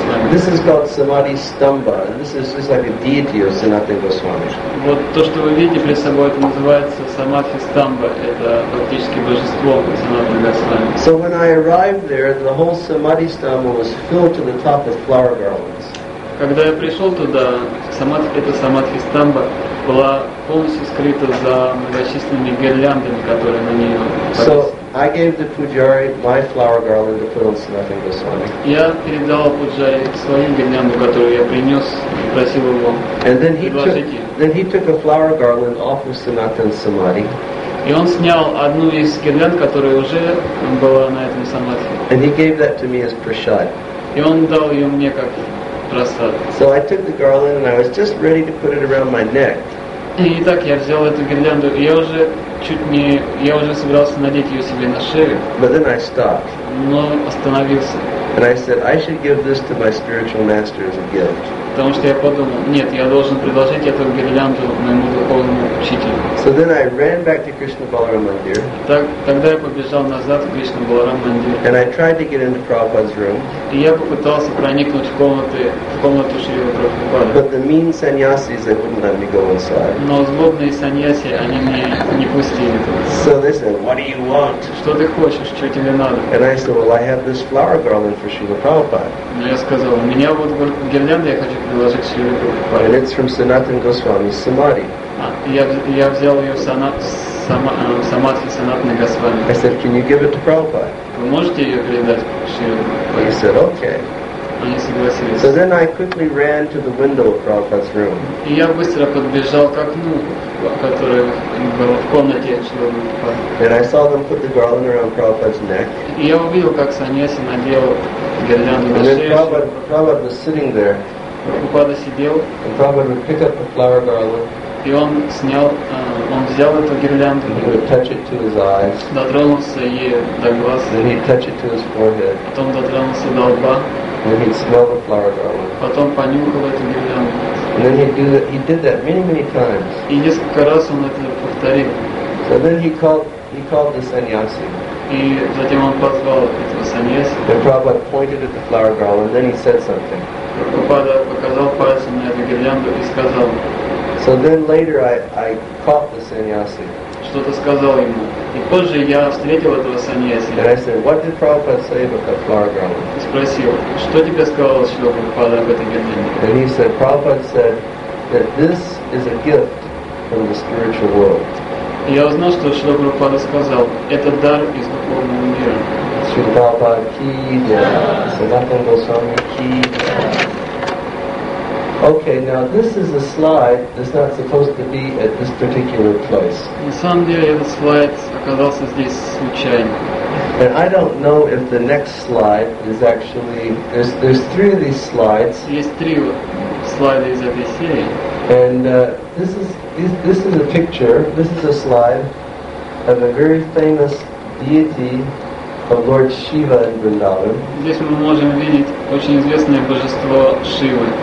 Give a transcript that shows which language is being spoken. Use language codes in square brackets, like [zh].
[en] This is called Samadhi Stamba, and this is just like a deity of Sanatan Goswami. [ru] Вот то, что вы видите перед собой, это называется Самадхи Стамба. Это фактически божество Санатан Госвами. [en] So when I arrived there, the whole Samadhi Stamba was filled to the top with flower garlands. [ru] Когда я пришел туда, Самадхи Стамба была полностью скрыта за многочисленными гирляндами, которые на ней. [en] I gave the pujari my flower garland to put on Sanatan Goswami. [ru] Я передал пуджари свою гирлянду, которую я принес, просил его. [en] And then he took a flower garland off of Sanatan Samadhi. [ru] И он снял одну из гирлянд, которая уже была на этом самадхи. [en] And he gave that to me as prasad. [ru] И он дал ее мне как прасад. [en] So I took the garland and I was just ready to put it around my neck. [ru] И так я взял эту гирлянду, и я уже чуть не, я уже собирался надеть ее себе на шею. [en] But then I stopped. [ru] Но остановился. [en] And I said, I should give this to my spiritual master as a gift. [ru] Потому что я подумал, нет, я должен предложить эту гирлянду моему духовному учителю. [en] So then I ran back to Krishna Balaram Mandir. [ru] Так, тогда я побежал назад в Кришна Баларам Мандир. [en] And I tried to get into Prabhupada's room. [ru] И я попытался проникнуть в комнату Шри Прабхупады. [en] But the mean sannyasis, they wouldn't let me go inside. [ru] Но злобные саньяси, они меня не пустили туда. [en] So they said, what do you want? [ru] Что ты хочешь, что тебе надо? [en] And I said, well, I have this flower garland for Shri Prabhupada. [ru] Но я сказал, у меня вот гирлянда, я хочу предложить Шри Прабхупаде. [en] And it's from Sanatan Goswami's Samadhi. [ru] Я взял ее в самадхи Санатана Госвами. [en] I said, can you give it to Prabhupada? [ru] Вы можете ее передать Шри Прабхупаде? [en] He said, okay. [ru] Они согласились. [en] So then I quickly ran to the window of Prabhupada's room. [ru] И я быстро подбежал к окну, которое было в комнате Шри Прабхупады. [en] And I saw them put the garland around Prabhupada's neck. [ru] И я увидел, как саньяси надел гирлянду на шею. [en] And Prabhupada was sitting there. [ru] Прабхупада сидел. [en] And Prabhupada would pick up the flower garland. [ru] И он снял, он взял эту гирлянду, [en] he would touch it to his eyes, [ru] дотронулся ей до глаз, [en] then he'd touch it to his forehead, [ru] потом дотронулся до лба, [en] then he'd smell the flower garland, [ru] потом понюхал эту гирлянду. [en] And then he did that many, many times. [ru] И несколько раз он это повторил. [en] So then he called the sannyasi. [ru] И затем он позвал этого саньяси. [en] Then Prabhupada pointed at the flower garland, and then he said something. [ru] Прабхупада показал пальцем на эту гирлянду и сказал. [en] So then later I caught the sannyasi. [ru] Что-то сказал ему. И позже я встретил этого саньяси. [en] And I said, what did Prabhupada say about the flower garland? [ru] Спросил, что тебе сказал Шри Прабхупада об этой гирлянде? [en] And he said, Prabhupada said that this is a gift from the spiritual world. [ru] Я узнал, что Шри Прабхупада сказал, это дар из духовного мира. [hi] Шри Прабхупада ки дя, Санатан Госвами ки дя. [en] Okay, now this is a slide that's not supposed to be at this particular place. [ru] На самом деле этот слайд оказался здесь случайно. [en] And I don't know if the next slide is actually there's three of these slides. [ru] Есть три слайда из этой серии. [en] And this is a picture. This is a slide of a very famous deity of Lord Shiva in Vrindavan. [ru] Здесь мы можем видеть очень известное божество Шивы.